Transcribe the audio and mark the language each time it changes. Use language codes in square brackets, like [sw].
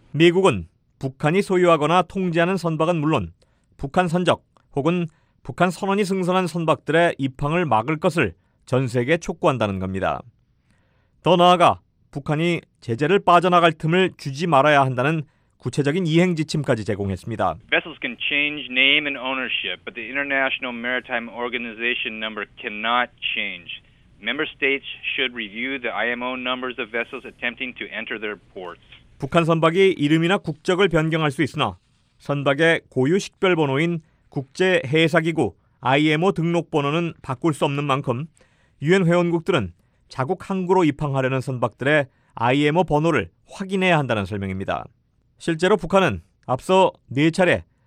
[ko] 미국은 북한이 소유하거나 통제하는 선박은 물론 북한 선적 혹은 북한 선원이 승선한 선박들의 입항을 막을 것을 전 세계에 촉구한다는 겁니다. 더 나아가 북한이 제재를 빠져나갈 틈을 주지 말아야 한다는 구체적인 이행 지침까지 제공했습니다. [en] Vessels can change name and ownership, but the International Maritime Organization number cannot change. Member states should review the IMO numbers of vessels attempting to enter their ports. [ko] 북한 선박이 이름이나 국적을 변경할 수 있으나 선박의 고유 식별 번호인 국제 해사 기구 IMO 등록 번호는 바꿀 수 없는 만큼 유엔 회원국들은 자국 항구로 입항하려는 선박들의 IMO 번호를 확인해야 한다는 설명입니다. 실제로 북한은 앞서 4차례